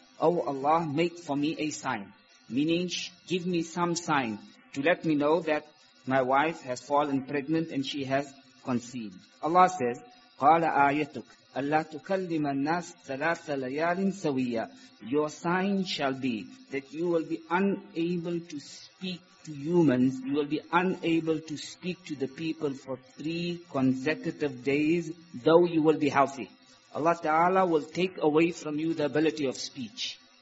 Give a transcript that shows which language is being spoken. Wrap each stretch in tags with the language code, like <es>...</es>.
<en>Oh Allah, make for me a sign. Meaning, give me some sign to let me know that my wife has fallen pregnant and she has conceived. Allah says,</en> <ar>قَالَ آيَتُكَ أَلَّا تُكَلِّمَ النَّاسَ ثَلَاثَ لَيَالٍ سَوِيَّةً.</ar> <en>Your sign shall be that you will be unable to speak to humans, you will be unable to speak to the people for 3 consecutive days, though you will be healthy. Allah Ta'ala will take away from you the ability of speech.</en>